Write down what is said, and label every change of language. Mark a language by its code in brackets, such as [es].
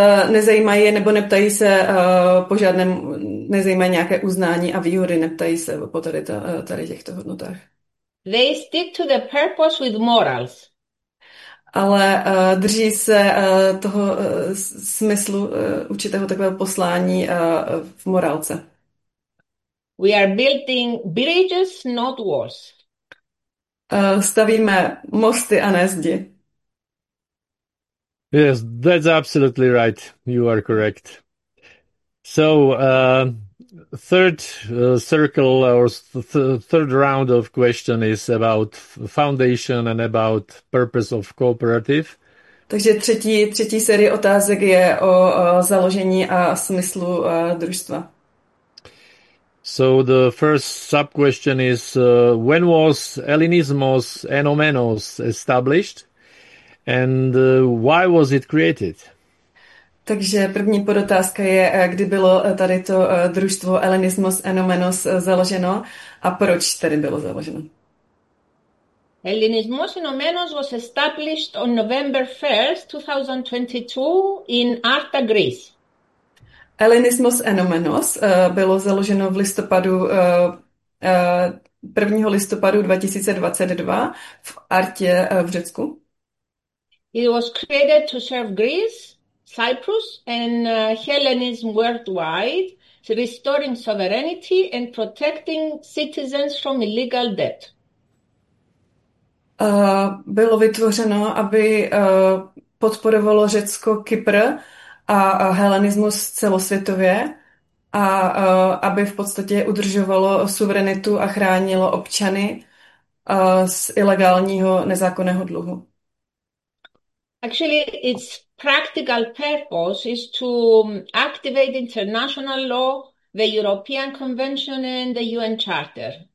[cs] Nezajímají nebo neptají se po žádném, nezajímají nějaké uznání a výhody, neptají se po tady těchto hodnotách. [en] They stick to the purpose with morals. [cs] Ale drží se toho smyslu určitého takového poslání v morálce. [en] We are building bridges, not walls. [cs] Stavíme mosty a ne zdi. [en] Yes, that's absolutely right. You are correct. So, third round of question is about foundation and about purpose of cooperative. [cs] Takže třetí série otázek je o založení a smyslu družstva. [en] So the first sub question is when was Hellenismos Ennomenos established? And why was it created? [cs] Takže první podotázka je, kdy bylo tady to družstvo Hellenismos Ennomenos založeno a proč tady bylo založeno? [en] Hellenismos Ennomenos was established on November 1st, 2022 in Arta, Greece. [cs] Hellenismos Ennomenos bylo založeno v listopadu 1. listopadu 2022 v Artě v Řecku. [en] It was created to serve Greece, Cyprus and Hellenism worldwide, restoring sovereignty and protecting citizens from illegal debt. [cs] Bylo vytvořeno, aby podporovalo Řecko, Kypr a Hellenismus celosvětově a aby v podstatě udržovalo suverenitu a chránilo občany z ilegálního nezákonného dluhu. [en] Actually, its practical purpose is to activate international law, the European Convention and the UN Charter.